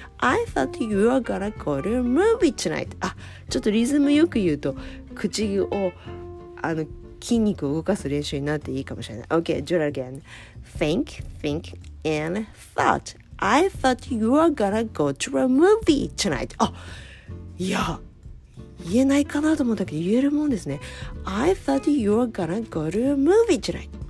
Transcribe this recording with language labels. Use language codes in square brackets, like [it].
[en] I thought you were gonna go to a movie tonight. [ja] あ、ちょっとリズムよく言うと、口を、あの、筋肉を動かす練習になっていいかもしれない。 [en] Okay, do that again. Think, think, and thought. I thought you were gonna go to a movie tonight. [ja] あ、いや、言えないかなと思ったけど言えるもんですね。 [en] I thought you were gonna go to a movie tonight.